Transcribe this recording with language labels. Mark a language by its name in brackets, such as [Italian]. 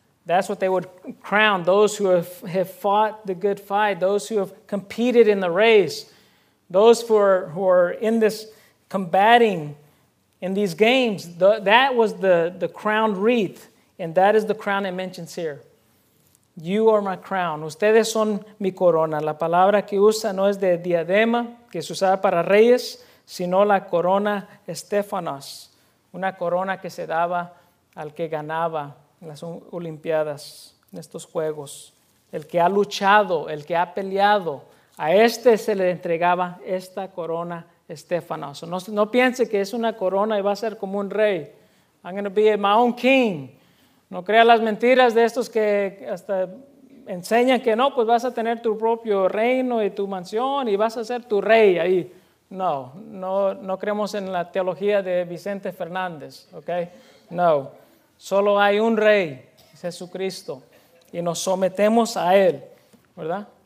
[English] That's what they would crown those who have fought the good fight, those who have competed in the race, those who are in this combating in these games. That was the crown wreath, and that is the crown it mentions here. You are my crown. [Spanish] Ustedes son mi corona. La palabra que usa no es de diadema, que se usa para reyes, sino la corona estefanos, una corona que se daba al que ganaba en las Olimpiadas, en estos Juegos. El que ha luchado, el que ha peleado, a este se le entregaba esta corona estefanos. No piense que es una corona y va a ser como un rey. [English] I'm going to be my own king. [Spanish] No crea las mentiras de estos que hasta enseñan que no, pues vas a tener tu propio reino y tu mansión y vas a ser tu rey ahí. No creemos en la teología de Vicente Fernández, okay? No, solo hay un rey, Jesucristo, y nos sometemos a él, ¿verdad?